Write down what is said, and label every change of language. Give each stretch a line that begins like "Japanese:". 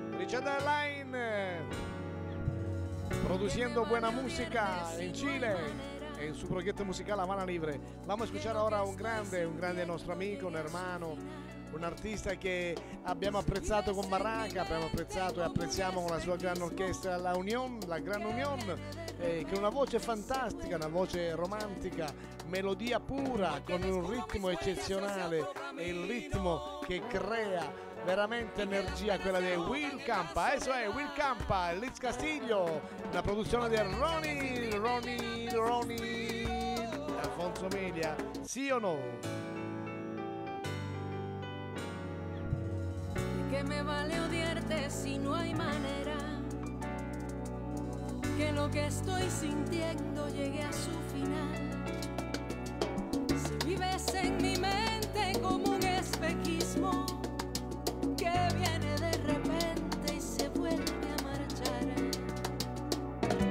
Spanish: Deadline, produciendo buena música en Chile, en su proyecto musical Habana Libre. Vamos a escuchar ahora a un grande nuestro amigo, un hermano, un artista que
Italian: abbiamo apprezzato con Barranca, abbiamo apprezzato e apprezziamo con la sua gran orchestra La Unión, La Gran Unión, con una voce fantastica, una voce romantica, melodia pura, con un ritmo eccezionale, e il ritmo che crea veramente energia, quella di Will Campa. Eso è Will Campa, Liz Castillo, la produzione di Ronnie, Alfonso Media, sì o no?
Spanish: ¿Qué me vale odiarte si no hay manera que lo que estoy sintiendo llegue a su final? Si vives en mi mente como un espejismo que viene de repente y se vuelve a marchar.